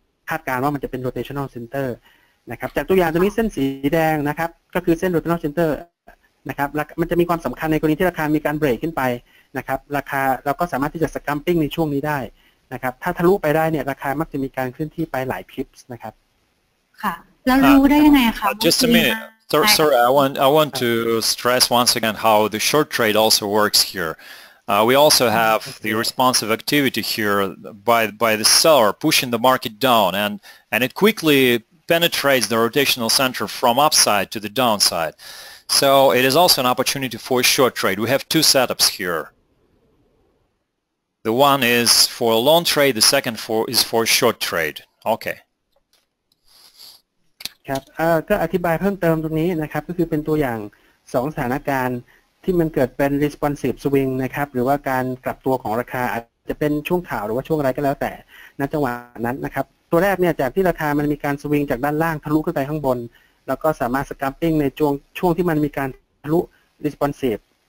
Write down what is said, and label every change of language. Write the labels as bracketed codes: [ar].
[th] คาดการณ์ว่ามันจะเป็นโรเตชั่นอลเซ็นเตอร์นะครับจากตัวอย่างตรงนี้เส้นสีแดงนะครับก็คือเส้นโรเตชั่นอลเซ็นเตอร์นะครับมันจะมีความสำคัญในกรณีที่ราคามีการเบรกขึ้นไปนะครับราคาเราก็สามารถที่จะสแกมปิ้งในช่วงนี้ได้นะครับถ้าทะลุไปได้เนี่ยราคามักจะมีการขึ้นที่ไปหลายพิปส์นะครับ ค่ะแล้วรู้ได้ยังไงคะ [en] Just a minute sorry I want to stress once again how the short trade also works here we also have the responsive activity here by the seller pushing the market down and it quickly penetrates the rotational center from upside to the downside so it is also an opportunity for a short trade we have two setups hereThe one is for a long trade, the second is for a short trade. Okay. [th] ครับก็อธิบายเพิ่มเติมตรงนี้นะครับก็คือเป็นตัวอย่าง2สถานการณ์ที่มันเกิดเป็น responsive swing นะครับหรือว่าการกลับตัวของราคาอาจจะเป็นช่วงขาวหรือว่าช่วงอะไรก็แล้วแต่ณจังหวะนั้นนะครับตัวแรกเนี่ยจากที่ราคามันมีการ swing จากด้านล่างทะลุขึ้นไปข้างบนแล้วก็สามารถ scalping ในช่วงที่มันมีการทะลุ responsive